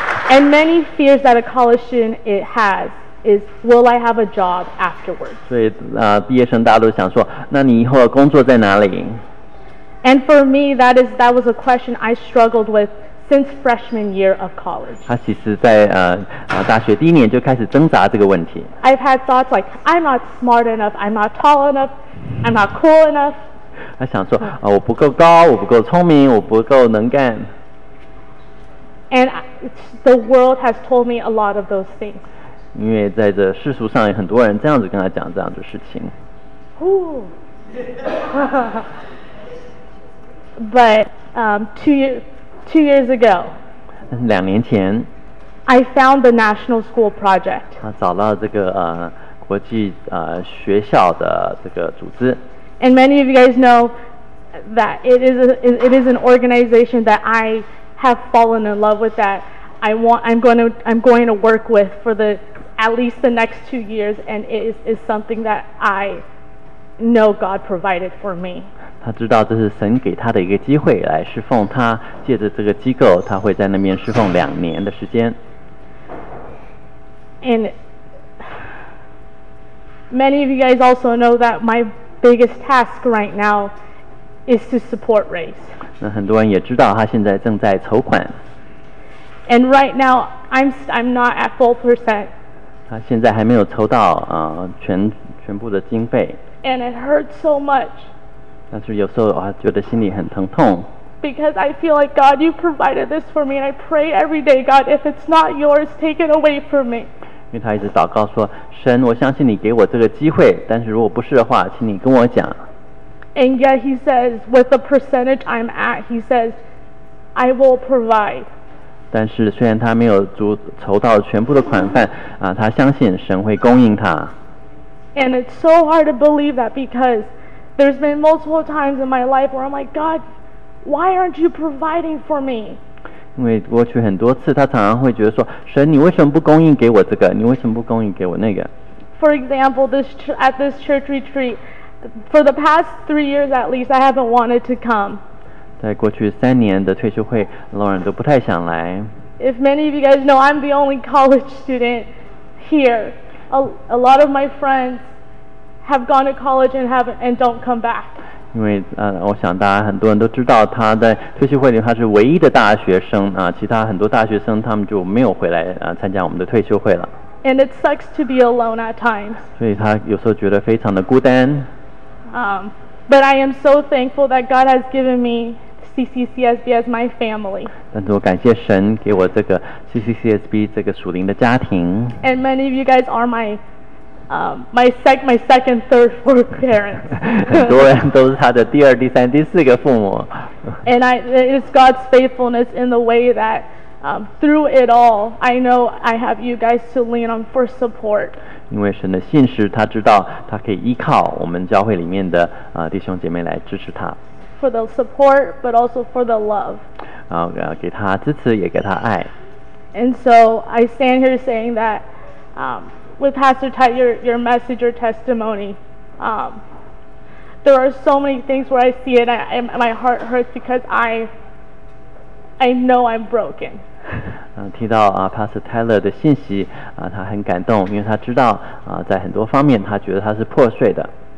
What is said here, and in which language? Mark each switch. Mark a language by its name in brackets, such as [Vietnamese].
[English] And many fears that a college student it has is, will I have a job afterwards? [Chinese] 所以毕业生大家都想说，那你以后工作在哪里？ [English] And for me, that was a question I struggled with since freshman year of college. [Chinese] 他其实在大学第一年就开始挣扎这个问题。 [English] I've had thoughts like, I'm not smart enough, I'm not tall enough, I'm not cool enough. [Chinese] 他想说我不够高，我不够聪明，我不够能干。 [English] And the world has told me a lot of those things. [Chinese] 因为在这世俗上有很多人这样子跟他讲这样的事情。 [English] But two years ago. [Chinese] 两年前。 [English] I found the National School Project. [Chinese] 他找到这个国际学校的这个组织。 [English] And many of you guys know that it is an organization that I. Have fallen in love with that. I'm going to work with for the at least the next 2 years, and it is something that I know God provided for me. [Chinese] 他知道这是神给他的一个机会来侍奉他。借着这个机构，他会在那边侍奉两年的时间。 [English] And many of you guys also know that my biggest task right now is to support race. [Chinese] 那很多人也知道他现在正在筹款。 [English] And right now, I'm not at full percent. [Chinese] 他现在还没有筹到全部的经费。 [English] And it hurts so much. [Chinese] 但是有时候我觉得心里很疼痛。 [English] Because I feel like God, you provided this for me, and I pray every day, God, if it's not yours, take it away from me. [Chinese] 因为他一直祷告说，神，我相信你给我这个机会，但是如果不是的话，请你跟我讲。 [English] And yet he says, with the percentage I'm at, he says, I will provide. [Chinese] 但是虽然他没有筹到全部的款项啊，他相信神会供应他。 [English] And it's so hard to believe that because there's been multiple times in my life where I'm like, God, why aren't you providing for me? [Chinese] 因为过去很多次，他常常会觉得说，神，你为什么不供应给我这个？你为什么不供应给我那个？ [English] For example, at this church retreat, for the past 3 years at least, I haven't wanted to come. [Chinese] 在过去三年的退休会， Lauren 都不太想来。 [English] If many of you guys know, I'm the only college student here. A lot of my friends have gone to college and don't come back. [Chinese] 因为我想大家很多人都知道，他在退休会里他是唯一的大学生啊，其他很多大学生他们就没有回来啊参加我们的退休会了。 [English] And it sucks to be alone at times. [Chinese] 所以他有时候觉得非常的孤单。 [English] But I am so thankful that God has given me CCCSB as my family. [Chinese] 但是我感谢神给我这个 CCCSB 这个属灵的家庭。 [English] And many of you guys are my second, third, fourth parents. [Chinese] 很多人都是他的第二、第三、第四个父母。 [English] And it's God's faithfulness in the way that through it all, I know I have you guys to lean on for support. [Chinese] 因为神的信实，他知道他可以依靠我们教会里面的弟兄姐妹来支持他。 [English] For the support, but also for the love. [Chinese] 然后给他支持，也给他爱。 [English] And so I stand here saying that with Pastor Ty, your message, your testimony, there are so many things where I see it and my heart hurts because I know I'm broken. [Chinese] 提到Pastor Tyler 的信息他很感动，因为他知道在很多方面他觉得他是破碎的。